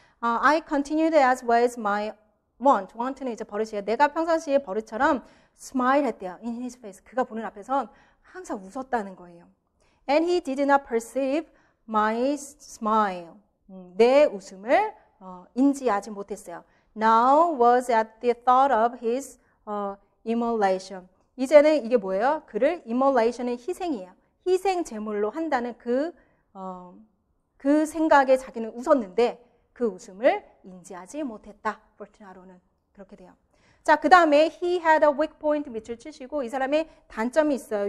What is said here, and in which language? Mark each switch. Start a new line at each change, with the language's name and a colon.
English: I continued as was my want.
Korean: want는 이제 버릇이에요. 내가 평상시에 버릇처럼 smile 했대요.
English: In his face.
Korean: 그가 보는 앞에서 항상 웃었다는 거예요.
English: And he did not perceive my smile.
Korean: 내 웃음을 인지하지 못했어요.
English: Now was at the thought of his immolation.
Korean: 이제는 이게 뭐예요? 그를 immolation은 희생이에요. 희생 제물로 한다는 그 생각에 자기는 웃었는데 그 웃음을 인지하지 못했다. Fortunato는 그렇게 돼요. 자, 그 다음에
English: he had a weak point
Korean: 밑을 치시고 이 사람의 단점이 있어요.